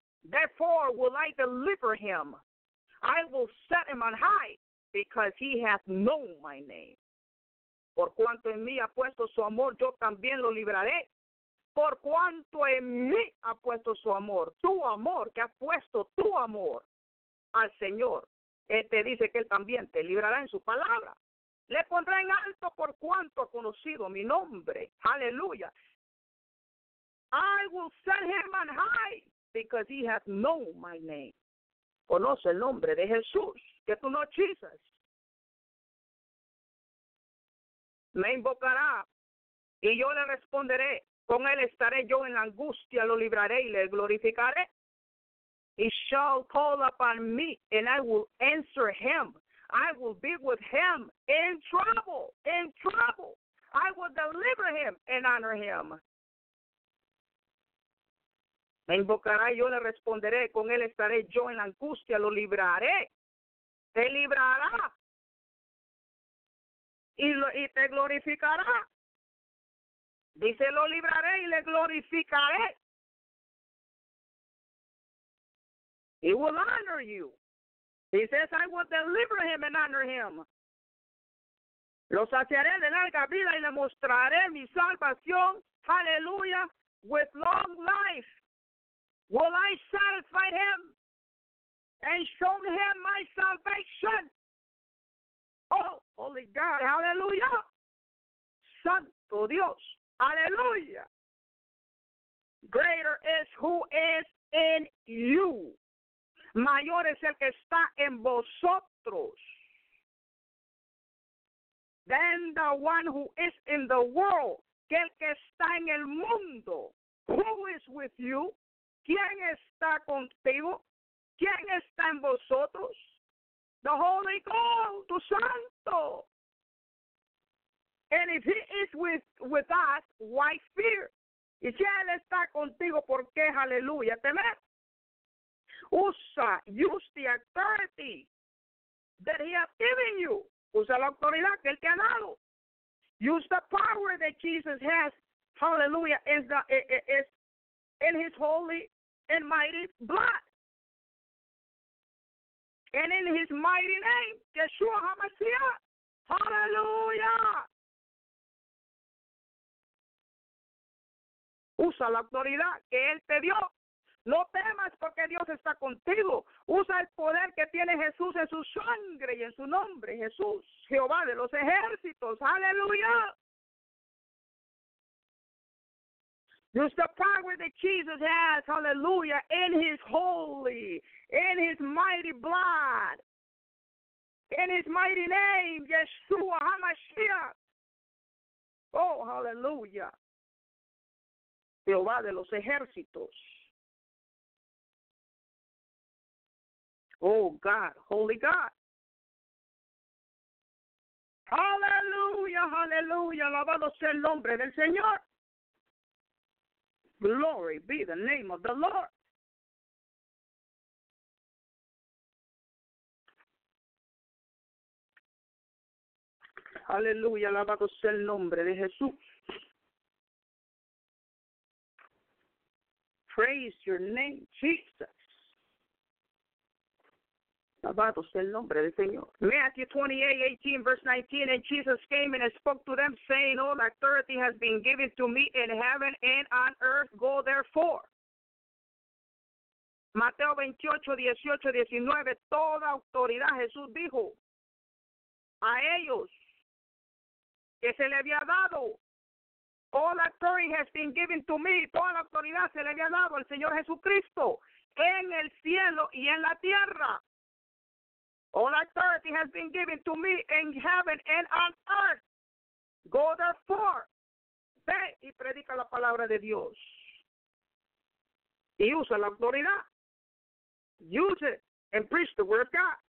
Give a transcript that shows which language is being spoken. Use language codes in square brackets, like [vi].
[en] Therefore will I deliver him. I will set him on high, because he hath known my name. [es] Por cuanto en mí ha puesto su amor, yo también lo libraré. Por cuanto en mí ha puesto su amor, tu amor, que ha puesto tu amor al Señor, él te dice que él también te librará en su palabra. Le pondré en alto por cuanto ha conocido mi nombre. [en] Aleluya. I will set him on high because he hath known my name. [es] Conoce el nombre de Jesús, que tú no chisas. me invocará y yo le responderé. Con él estaré yo en la angustia, lo libraré y le glorificaré. [en] He shall call upon me and I will answer him. I will be with him in trouble. I will deliver him and honor him. [es] Me invocará y yo le responderé. Con él estaré yo en la angustia, lo libraré. Te librará. Y te glorificará. Dice, lo libraré y le glorificaré. [en] He will honor you. He says, I will deliver him and honor him. [es] Lo saciaré de larga vida y le mostraré mi salvación. [en] Hallelujah. With long life. Will I satisfy him and show him my salvation? Oh, holy God. Hallelujah. [es] Santo Dios. [en] Hallelujah. Greater is who is in you. [es] Mayor es el que está en vosotros [en] than the one who is in the world. [es] Que el que está en el mundo. [en] Who is with you? [es] ¿Quién está contigo? ¿Quién está en vosotros? [en] The Holy Ghost, [es] tu Santo. [en] And if he is with us, why fear? [es] Y si él está contigo, ¿por qué, aleluya, temer? [en] Use the authority that he has given you. [es] Usa la autoridad que él te ha dado. [en] Use the power that Jesus has, hallelujah, in his holy and mighty blood. And in his mighty name, Yeshua HaMashiach. Hallelujah. [es] Usa la autoridad que él te dio. No temas porque Dios está contigo. Usa el poder que tiene Jesús en su sangre y en su nombre, Jesús, Jehová de los ejércitos. Aleluya. [en] Use the power that Jesus has, hallelujah, in his holy, in his mighty blood, in his mighty name, Yeshua HaMashiach. Oh, hallelujah. [es] Jehová de los ejércitos. [en] Oh, God, holy God. [es] Hallelujah, hallelujah. Alabado sea el nombre del Señor. [en] Glory be the name of the Lord. [es] Hallelujah, alabado sea el nombre de Jesús. [en] Praise your name, Jesus. [es] Alabado sea el nombre del Señor. [en] Matthew 28:18, verse 19. And Jesus came and spoke to them, saying, all authority has been given to me in heaven and on earth. Go therefore. [es] Mateo 28:18-19. Toda autoridad, Jesús dijo a ellos que se le había dado. [en] All authority has been given to me. [es] Toda la autoridad se le había dado al Señor Jesucristo en el cielo y en la tierra. [en] All authority has been given to me in heaven and on earth. Go therefore. [es] Ve y predica la palabra de Dios. Y usa la autoridad. [en] Use it and preach the word of God.